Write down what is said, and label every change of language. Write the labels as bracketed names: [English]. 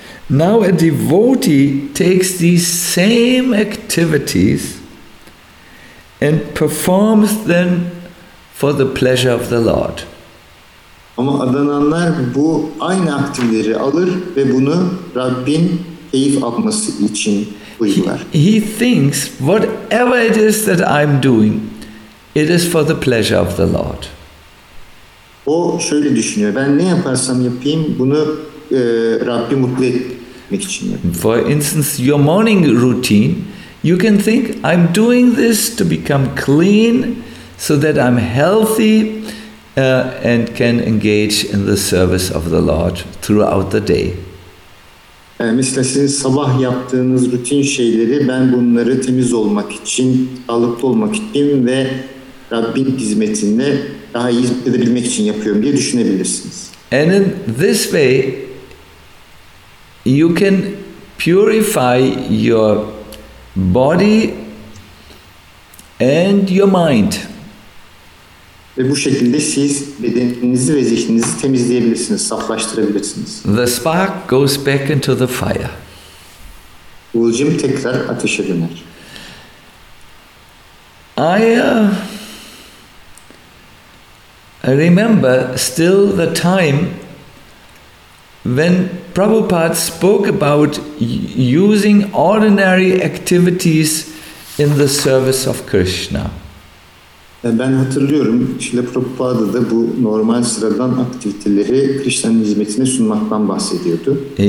[English] Now a devotee takes these same activities and performs them for the pleasure of the Lord. [Turkish] Ama adananlar bu aynı aktiviteleri alır ve bunu Rabbin keyif alması için uygular. [English] He thinks whatever it is that I'm doing, it is for the pleasure of the Lord. [Turkish] O şöyle düşünüyor. Ben ne yaparsam yapayım bunu Rabbi mutlu etmek için yapayım. [English] For instance, your morning routine, you can think I'm doing this to become clean so that I'm healthy and can engage in the service of the Lord throughout the day. [Turkish] Mesela sizin sabah yaptığınız rutin şeyleri, ben bunları temiz olmak için, sağlıklı olmak için ve Rabbin hizmetinde daha iyi edebilmek için yapıyorum diye düşünebilirsiniz. [English] And in this way, you can purify your body and your mind. [Turkish] Ve bu şekilde siz bedeninizi ve zihninizi temizleyebilirsiniz, saflaştırabilirsiniz. [English] The spark goes back into the fire. [Turkish] Uğulcum tekrar ateşe döner. [English] I remember still the time When Prabhupada spoke about using ordinary activities in the service of Krishna. [Turkish] Ben hatırlıyorum, Şile Prabhupada da bu normal sıradan aktiviteleri Krishna'nın hizmetine sunmaktan bahsediyordu.